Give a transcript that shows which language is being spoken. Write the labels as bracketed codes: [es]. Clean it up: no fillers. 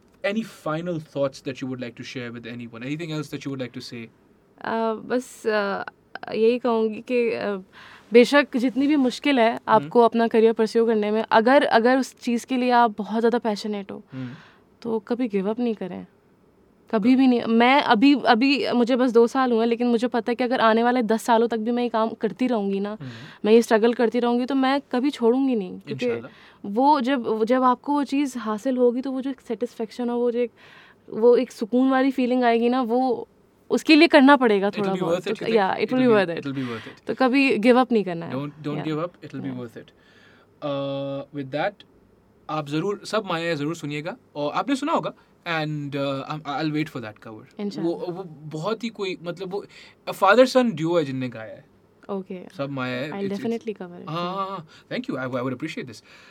[en] any final thoughts that you would like to share with anyone anything else that you would like to say [hi] bas yahi kahungi ki beshak jitni bhi mushkil hai aapko apna career pursue karne mein agar us cheez ke liye aap bahut zyada passionate ho to kabhi give up nahi kare कभी भी नहीं मैं अभी मुझे बस 2 साल हुए हैं लेकिन मुझे पता है कि अगर आने वाले 10 सालों तक भी मैं ये काम करती रहूँगी ना मैं ये स्ट्रगल करती रहूँगी तो मैं कभी छोड़ूंगी नहीं क्योंकि वो जब आपको वो चीज़ हासिल होगी तो वो जो एक सेटिस्फेक्शन है वो एक सुकून वाली फीलिंग आएगी ना वो उसके लिए करना पड़ेगा थोड़ा बहुत या [en] it will be worth it [hi] तो कभी गिव अप नहीं करना है [en] don't give up it will be worth it with that [hi] आप जरूर सब माया जरूर सुनिएगा और आपने सुना होगा [en] And I'll wait for that cover. Inshallah. [hi] वो बहुत ही कोई मतलब वो [en] a father son duo [hi] है जिनने गाया है. [en] Okay. [hi] सब माया है. [en] I'll definitely cover it. Thank you. I would appreciate this.